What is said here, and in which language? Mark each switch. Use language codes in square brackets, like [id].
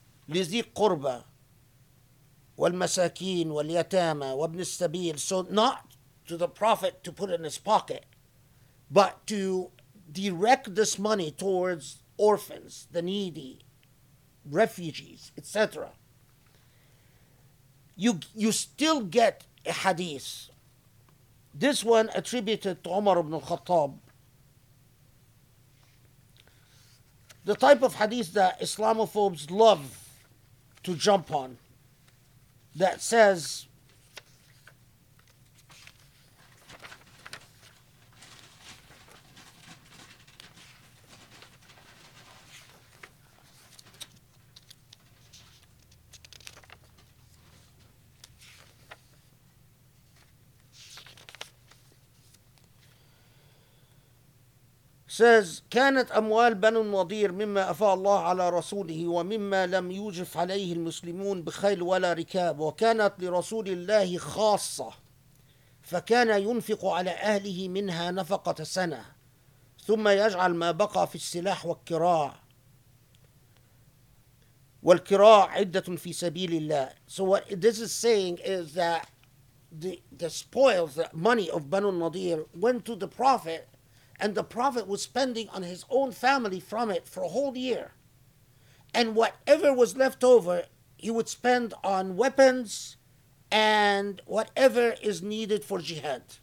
[ar] لذي قربة والمساكين واليتامى وابن السبيل, [en] so not to the Prophet to put in his pocket, but to direct this money towards orphans, the needy, refugees, etc. You still get a hadith. This one attributed to Umar ibn al-Khattab. The type of hadith that Islamophobes love to jump on, that says, says, [ar] كانت أموال بنو النضير مما أفاء الله على رسوله ومما لم يوجف عليه المسلمون بخيل ولا ركاب وكانت لرسول الله خاصة فكان ينفق على أهله منها نفقة سنة ثم يجعل ما بقى في السلاح والكراع والكراع عدة في سبيل الله. [en] So what this is saying is that the spoils, the money of بنو النضير went to the Prophet, and the Prophet was spending on his own family from it for a whole year. And whatever was left over, he would spend on weapons and whatever is needed for jihad.